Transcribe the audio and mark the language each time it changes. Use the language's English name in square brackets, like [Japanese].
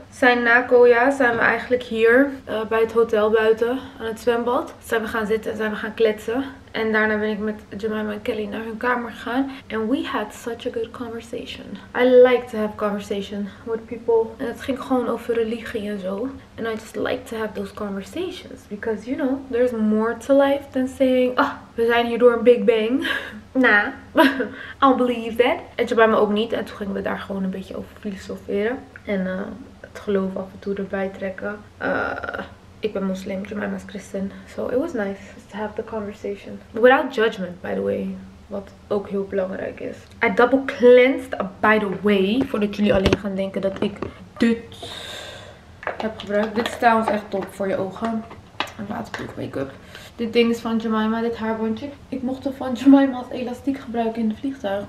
[Dutch] Zijn na Koya zijn we eigenlijk hier. Bij het hotel buiten. Aan het zwembad. Zijn we gaan zitten en zijn we gaan kletsen. En daarna ben ik met Jemima en Kelly naar hun kamer gegaan. [English] And we had such a good conversation. I like to have conversation with people. [Dutch] En het ging gewoon over religie en zo. [English] And I just like to have those conversations. Because, you know, there's more to life than saying, oh, [Dutch] we zijn hier door een [English] Big Bang. Nah, I don't believe that. [Dutch] En Jemima ook niet. En toen gingen we daar gewoon een beetje over filosoferen. En het geloof af en toe erbij trekken. Ik ben moslim, Jemima is christen. [English] So it was nice just to have the conversation. Without judgment, by the way. [Dutch] Wat ook heel belangrijk is. [English] I double cleansed, by the way. [Dutch] Voordat jullie alleen gaan denken dat ik dit heb gebruikt. Dit is trouwens echt top voor je ogen. En waterproof make-up. Dit ding is van Jemima, dit haarbandje. Ik mocht er van Jemima als elastiek gebruiken in de vliegtuig.